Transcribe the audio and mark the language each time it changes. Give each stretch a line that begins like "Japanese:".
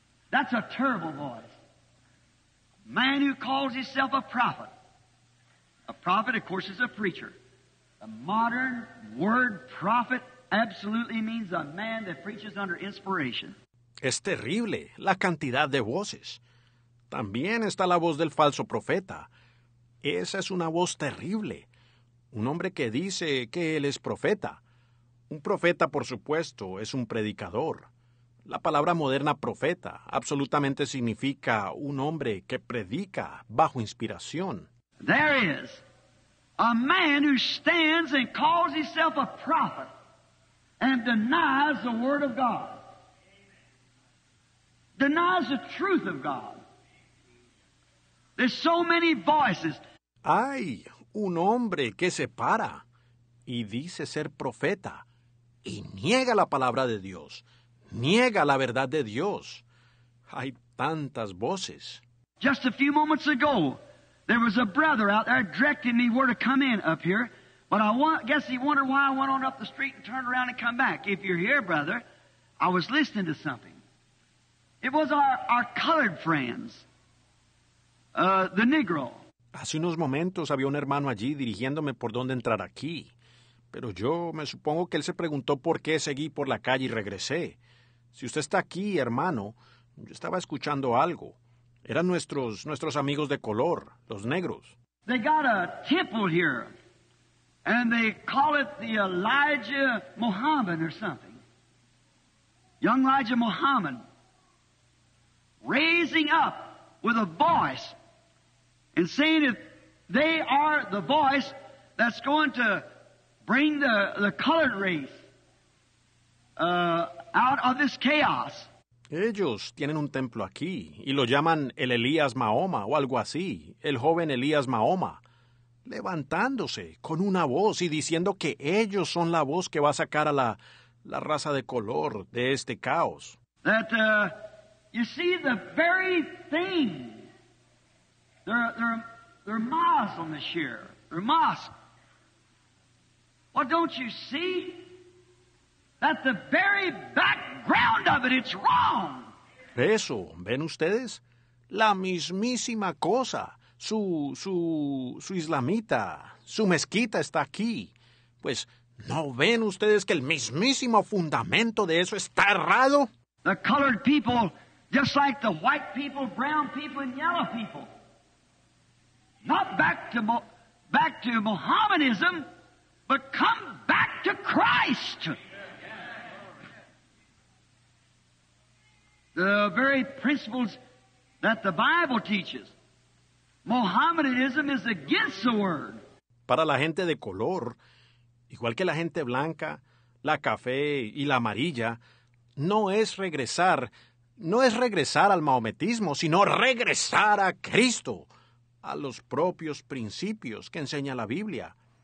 English: That's a terrible voice. Man who calls himself a prophet. A prophet, of course, is a preacher. The modern word prophet absolutely means a man that preaches under inspiration.
Spanish: Es terrible la cantidad de voces. También está la voz del falso profeta. Esa es una voz terrible. Un hombre que dice que él es profeta. Un profeta, por supuesto, es un predicador. La palabra moderna profeta absolutamente significa un hombre que predica bajo inspiración.
English: There is a man who stands and calls himself a prophet and denies the word of God. Denies the truth of God. There's so many voices.
Spanish: Hay un hombre que se para y dice ser profeta y niega la palabra de Dios. Niega la verdad de Dios. Hay tantas voces.
English: Just a few moments ago, there was a brother out there directing me where to come in up here. But I guess he wondered why I went on up the street and turned around and come back. If you're here, brother, I was listening to something. It was our colored friends, the Negro.
Spanish: Hace unos momentos había un hermano allí dirigiéndome por dónde entrar aquí. Pero yo me supongo que él se preguntó por qué seguí por la calle y regresé. Si usted está aquí, hermano, yo estaba escuchando algo. Eran nuestros amigos de color, los negros.
English: They got a temple here, and they call it the Elijah Muhammad or something. Young Elijah Muhammad, raising up with a voice and saying that they are the voice that's going to bring the colored race out of this chaos.
Spanish: Ellos tienen un templo aquí y lo llaman el Elías Mahoma o algo así, el joven Elías Mahoma, levantándose con una voz y diciendo que ellos son la voz que va a sacar a la raza de color de este caos.
English: That, you see, the very thing, they're Muslim this year, they're mosque. Well, don't you see? That the very background of it, it's wrong.
Spanish: Eso, ¿ven ustedes? La mismísima cosa. Su islamita, su mezquita está aquí. Pues, ¿no ven ustedes que el mismísimo fundamento de eso está errado?
English: The colored people, just like the white people, brown people, and yellow people. Not back to Mohammedism, but come back to Christ. The very principles that the Bible teaches. Mohammedanism is against the word.
Spanish: Para la gente de color, igual que la gente blanca, la café y la amarilla, no es regresar al mahometismo, sino regresar a Cristo, a los propios principios que enseña la Biblia.